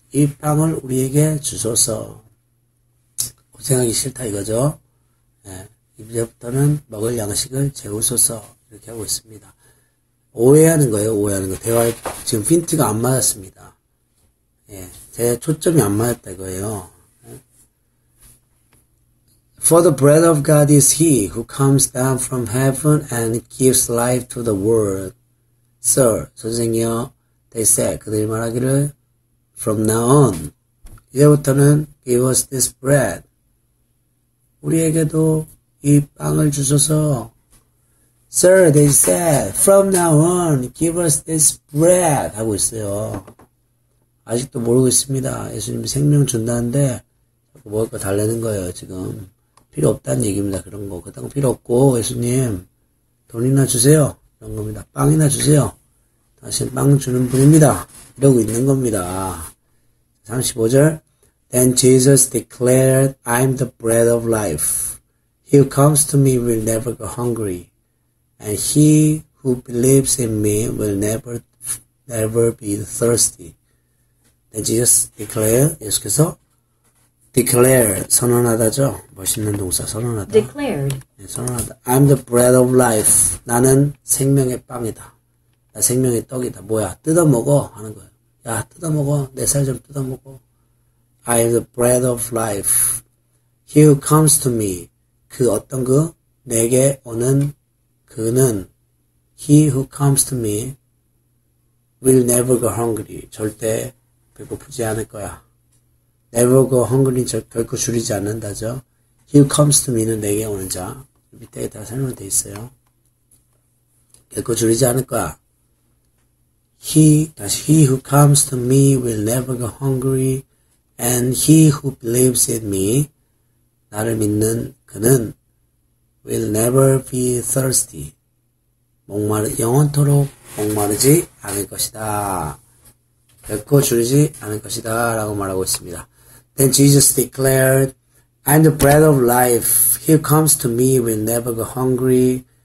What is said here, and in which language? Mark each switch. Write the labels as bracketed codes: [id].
[ko] 이 빵을 우리에게 주소서. 고생하기 싫다 이거죠. 네, 이제부터는 먹을 양식을 재우소서. 이렇게 하고 있습니다. 오해하는 거예요, 오해하는 거. 대화에 지금 핀트가 안 맞았습니다. 예, 제 초점이 안 맞았다 이거예요. [en] For the bread of God is he who comes down from heaven and gives life to the world. Sir, [ko] 선생님이요. [en] They said, [ko] 그들이 말하기를, [en] From now on, [ko] 이제부터는 [en] give us this bread. [ko] 우리에게도 이 빵을 주소서. [en] Sir, they said, From now on, give us this bread. [ko] 하고 있어요. 아직도 모르고 있습니다. 예수님이 생명 준다는데 뭐할거 달래는 거예요, 지금. 필요 없다는 얘기입니다, 그런 거. 그딴 거 필요 없고, 예수님, 돈이나 주세요. 그런 겁니다. 빵이나 주세요. 당신 빵 주는 분입니다. 이러고 있는 겁니다. 35절. [en] Then Jesus declared, I'm the bread of life. He who comes to me will never go hungry. And he who believes in me will never be thirsty. Then Jesus declared, [ko] 예수께서 [en] declare, [ko] 선언하다죠? 멋있는 동사, 선언하다. [en] Declared. [ko] 네, 선언하다. [en] I'm the bread of life. [ko] 나는 생명의 빵이다. 나 생명의 떡이다. 뭐야? 뜯어먹어? 하는 거예요. 야, 뜯어먹어. 내살좀 뜯어먹어. [en] I am the bread of life. He who comes to me. [ko] 그 어떤 그? 내게 오는 그는. [en] He who comes to me will never go hungry. [ko] 절대 배고프지 않을 거야. [en] Never go hungry. [ko] 결코 줄이지 않는다죠. [en] He who comes to me는 [ko] 내게 오는 자. 밑에 다 설명돼 있어요. 결코 줄이지 않을 거야. [en] He who comes to me will never go hungry. And he who believes in me, [ko] 나를 믿는 그는 [en] will never be thirsty. [ko] 영원토록 목마르지 않을 것이다. 결코 줄이지 않을 것이다. 라고 말하고 있습니다. [en] Then Jesus declared, I'm the bread of life. He who comes to me will never go hungry.